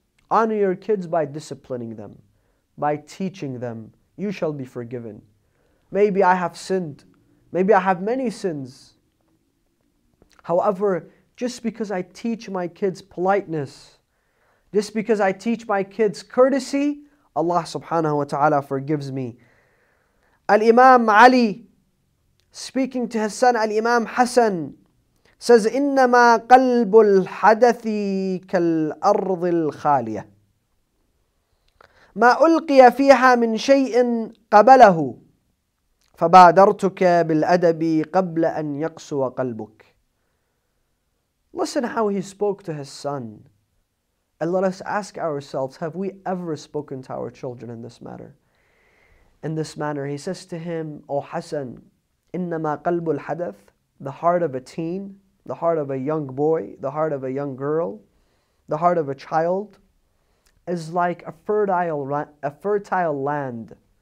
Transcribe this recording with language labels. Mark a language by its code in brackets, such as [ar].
[en] Honor your kids by disciplining them. By teaching them, you shall be forgiven. Maybe I have sinned. Maybe I have many sins. However, just because I teach my kids politeness, just because I teach my kids courtesy, Allah subhanahu wa ta'ala forgives me. Al-Imam Ali, speaking to his son, Al-Imam Hassan, says, [ar] إِنَّمَا قَلْبُ الْحَدَثِ كَالْأَرْضِ الْخَالِيَةِ مَا أُلْقِيَ فِيهَا مِنْ شَيْءٍ قَبَلَهُ فَبَادَرْتُكَ بِالْأَدَبِ قَبْلَ أَنْ يَقْسُوَ قَلْبُكَ [en] Listen how he spoke to his son. And let us ask ourselves, have we ever spoken to our children in this matter? In this manner, he says to him, O Hassan, [ar] إِنَّمَا قَلْبُ الْحَدَثِ [en] The heart of a teen, the heart of a young boy, the heart of a young girl, the heart of a child, is like a fertile land.